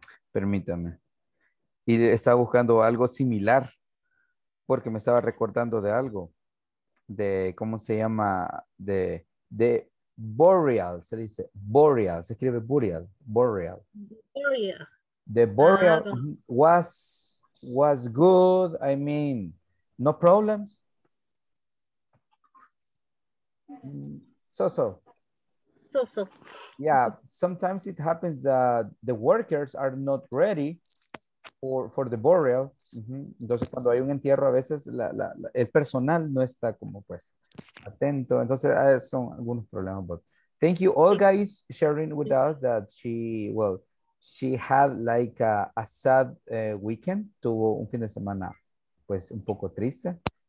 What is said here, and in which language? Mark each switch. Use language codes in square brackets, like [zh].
[es] Permítame. Y estaba buscando algo similar porque me estaba recordando de algo de cómo se llama de burial, se dice burial, se escribe burial, burial. [en] The burial was good, I mean, no problems. So. Yeah, sometimes it happens that the workers are not ready for the burial. Mm-hmm. [es] Entonces, cuando hay un entierro, a veces el personal no está como pues atento. Entonces, son algunos problemas. [en] But thank you, Olga is sharing with us that she had like a sad weekend. [es] Tuvo un fin de semana, pues un poco triste.